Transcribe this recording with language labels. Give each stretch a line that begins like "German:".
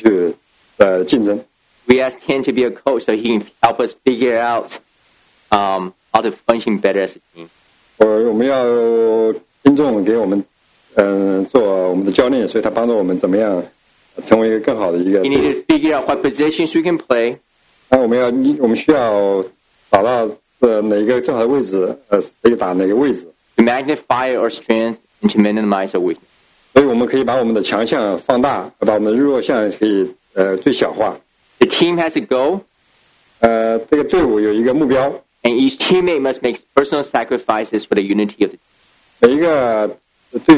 Chinese: 但是如果只有才能而没有一个合一的团结的话，这个队伍也很难去竞争。
English: We asked Tim to be a coach so he can help us figure out. How to function better as a team.
Chinese: 我们要听众给我们做我们的教练，所以他帮助我们怎么样成为一个更好的一个。
English: We need to figure out what positions we can play.
Chinese: 我们需要找到哪一个正好的位置，可以打哪个位置。
English: To magnify our strength and to minimize our weakness.
Chinese: 所以我们可以把我们的强项放大，把我们的弱项可以最小化。
English: The team has a goal.
Chinese: 这个队伍有一个目标。
English: And each teammate must make personal sacrifices for the unity of the team.